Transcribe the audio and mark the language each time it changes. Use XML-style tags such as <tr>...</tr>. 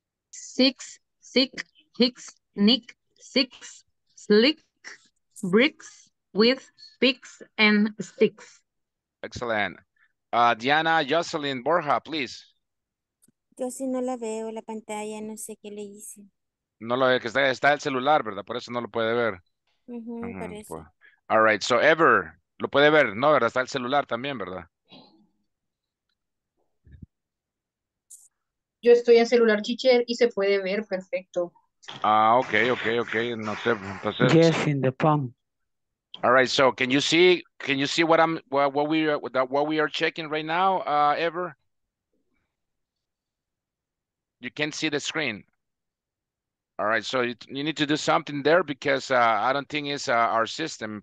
<en>Six, hicks, nick, six, slick, bricks, with, picks, and sticks. Excellent. Diana, Jocelyn, Borja, please.</en> <es>Yo sí no la veo, la pantalla, no sé qué le hice. No lo veo, que está el celular, ¿verdad? Por eso no lo puede ver. Por eso.</es> <en>All right, so</en> <es>Ever, lo puede ver, ¿no? ¿Verdad? Está el celular también, ¿verdad? Yo estoy en celular, teacher, y se puede ver perfecto. Ah, ok. No sé, entonces.</es> <en>Yes, in the phone. All right, so can you see what we are checking right now, Ever? You can't see the screen. All right, so you need to do something there because I don't think it's our system.</en>